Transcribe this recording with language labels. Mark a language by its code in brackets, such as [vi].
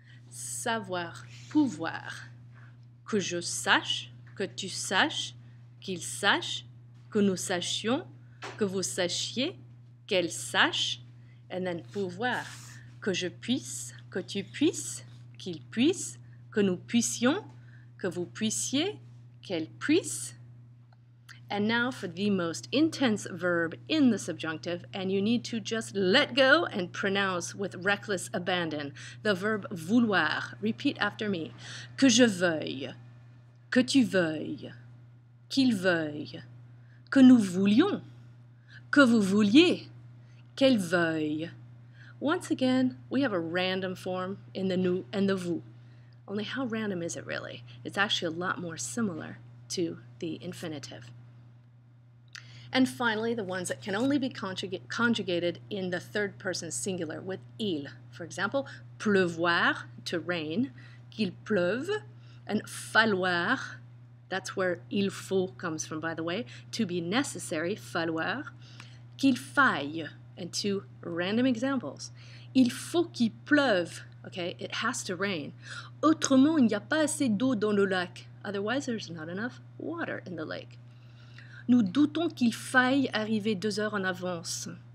[fr] Savoir, pouvoir. Que je sache, que tu saches, qu'il sache, que nous sachions, que vous sachiez, qu'elle sache. [en] And then [fr] pouvoir. Que je puisse, que tu puisses, qu'il puisse, que nous puissions, que vous puissiez, qu'elle puisse. [en] And now for the most intense verb in the subjunctive, and you need to just let go and pronounce with reckless abandon, the verb vouloir. Repeat after me. [fr] Que je veuille, que tu veuilles, qu'il veuille, que nous voulions, que vous vouliez, qu'elle veuille. [en] Once again, we have a random form in the nous and the vous. Only how random is it really? It's actually a lot more similar to the infinitive. And finally, the ones that can only be conjugated in the third person singular with il. For example, pleuvoir, to rain, [fr] qu'il pleuve, [en] and falloir, that's where il faut comes from, by the way, to be necessary, falloir, [fr] qu'il faille, [en] and two random examples. [fr] Il faut qu'il pleuve, [en] okay, it has to rain. [fr] Autrement, il n'y a pas assez d'eau dans le lac. [en] Otherwise, there's not enough water in the lake. [fr] Nous doutons qu'il faille arriver 2 heures en avance.